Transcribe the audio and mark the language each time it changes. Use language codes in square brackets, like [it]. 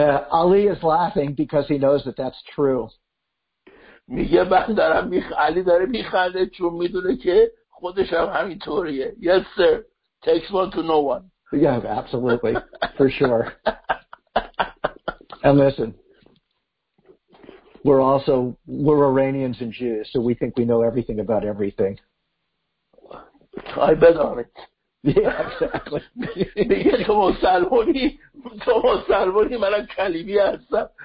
[en] Ali is laughing because he knows that that's true. [fa] میگه من دارم علی داره میخنده چون میدونه که خودش هم همینطوریه. [en] Yes, sir. Takes one to know one. Yeah, absolutely. For sure. And listen, we're Iranians and Jews, so we think we know everything about everything. I bet on it. Yeah, exactly. [fa] تو مسلمانی من کلیمی هستم.